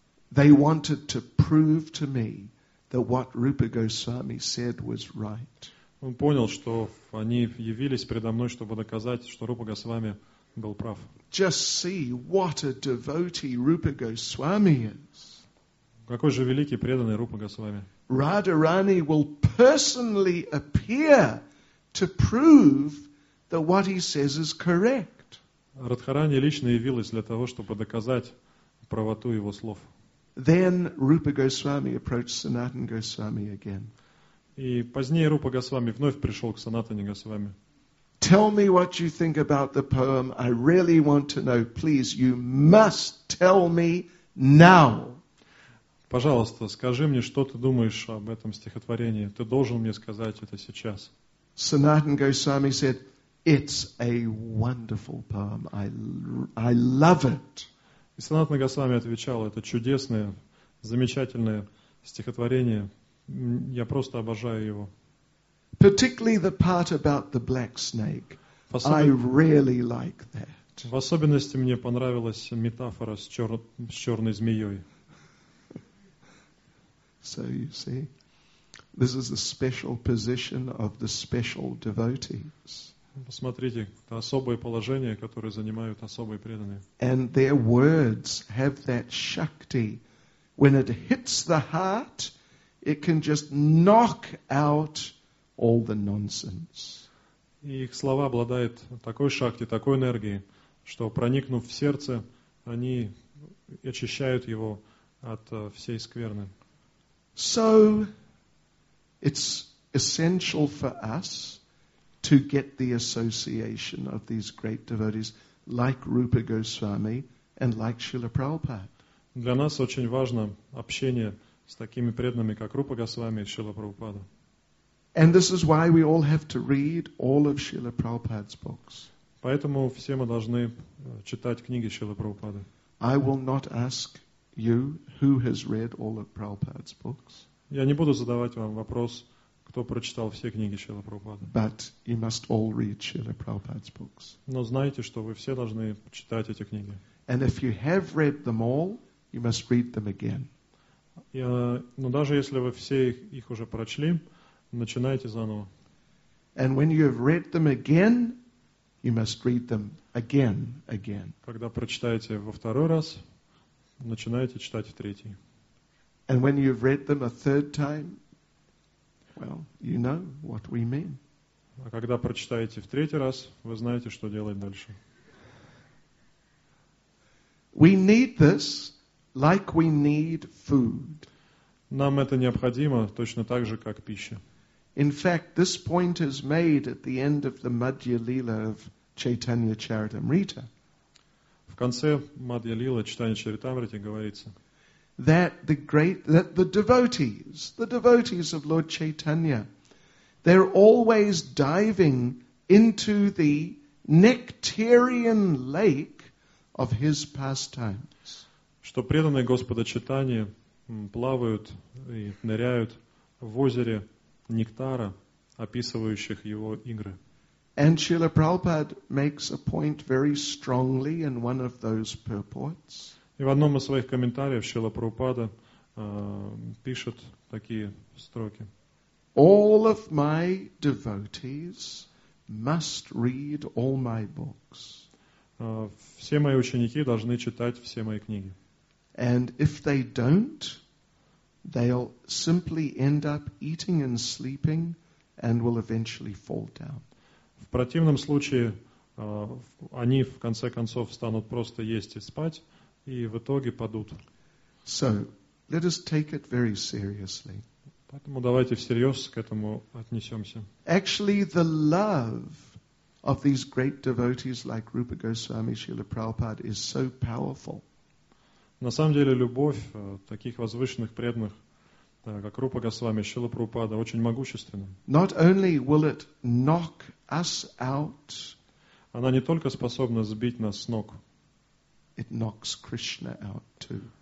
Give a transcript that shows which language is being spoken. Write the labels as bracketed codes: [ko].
[en] They wanted to prove to me that what Rupa Goswami said was right. [ru] Он понял, что они явились предо мной, чтобы доказать, что Рупа Госвами был прав. [en] Just see what a devotee Rupa Goswami is. [ru] Какой же великий преданный Рупа Госвами. [en] Radharani will personally appear to prove that what he says is correct. [ru] Радхарани лично явилась для того, чтобы доказать правоту его слов. [en] Then Rupa Goswami approached Sanatana Goswami again. [ru] И позднее Рупа Госвами вновь пришел к Санатане Госвами. [en] Tell me what you think about the poem. I really want to know. Please, you must tell me now. [ru] Пожалуйста, скажи мне, что ты думаешь об этом стихотворении. Ты должен мне сказать это сейчас. [en] Sanatana Goswami said, "It's a wonderful poem. I love it." [ru] И Санатана Госвами отвечал: "Это чудесное, замечательное стихотворение. Я просто обожаю его." [en] Particularly the part about the black snake. I really like that. [ru] В особенности мне понравилась метафора с черной змеей. [en] So you see, this is the special position of the special devotees. [ru] Посмотрите, это особое положение, которое занимают особые преданные. [en] And their words have that shakti. When it hits the heart, it can just knock out all the nonsense. [ru] Их слова обладают такой шакти, такой энергией, что, проникнув в сердце, они очищают его от всей скверны. [en] So it's essential for us to get the association of these great devotees like Rupa Goswami and like Srila Prabhupada. [ru] Для нас очень важно общение с такими преданными, как Рупа Госвами и Шрила Прабхупада. [en] And this is why we all have to read all of Srila Prabhupada's books. [ru] Поэтому все мы должны читать книги Шрила Прабхупады. [en] I will not ask you who has read all of Prabhupada's books. [ru] Я не буду задавать вам вопрос, кто прочитал все книги Шрила Прабхупады. [en] But you must all read Srila Prabhupada's books. [ru] Но знайте, что вы все должны читать эти книги. [en] And if you have read them all, you must read them again. [ru] Но даже если вы все их уже прочли, начинайте заново. [en] And when you have read them again, you must read them again, again. [ru] Когда прочитаете во второй раз, начинайте читать в третий. [en] And when you've read them a third time, well, you know what we mean. [ru] А когда прочитаете в третий раз, вы знаете, что делать дальше. [en] We need this. Like we need food. [ru] Нам это необходимо точно так же, как пища. [en] In fact, this point is made at the end of the Madhya Lila of Chaitanya Charitamrita. [ru] В конце Мадья Лила Чайтанья Чаритамриты говорится, [en] that the devotees of Lord Chaitanya, they're always diving into the nectarian lake of his pastimes. [ru] Что преданные Господа Чайтаньи плавают и ныряют в озере нектара, описывающих его игры. [en] And Srila Prabhupada makes a point very strongly in one of those purports. [ru] И в одном из своих комментариев Шрила Прабхупада пишет такие строки. [en] All of my devotees must read all my books. [ru] Все мои ученики должны читать все мои книги. [en] And if they don't, they'll simply end up eating and sleeping and will eventually fall down. [ru] В противном случае, они в конце концов станут просто есть и спать, и в итоге падут. [en] So, let us take it very seriously. [ru] Поэтому давайте всерьез к этому отнесемся. [en] Actually, the love of these great devotees like Rupa Goswami, Srila Prabhupada is so powerful. [ru] На самом деле, любовь таких возвышенных преданных, как Рупа Госвами, Шрила Прабхупада, очень могущественна. [en] Not only will it knock us out, [ru] она не только способна сбить нас с ног, [en] it knocks Krishna out too.